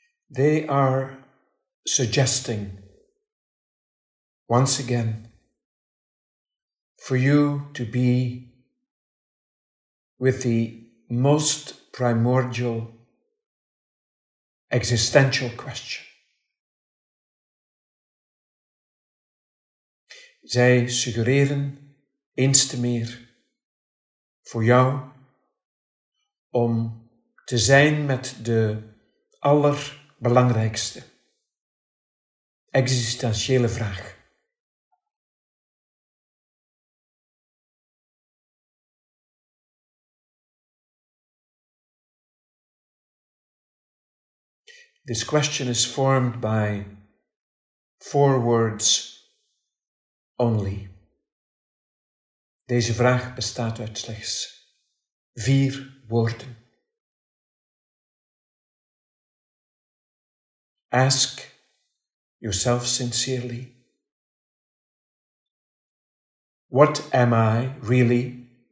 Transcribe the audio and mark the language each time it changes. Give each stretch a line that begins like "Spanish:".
English: They are suggesting once again for you to be with the most primordial existential question.
Dutch: Zij suggereren eens te meer voor jou om te zijn met de allerbelangrijkste existentiële vraag.
English: This question is formed by four words only.
Dutch: Deze vraag bestaat uit slechts vier woorden.
English: Ask yourself sincerely, what am I really?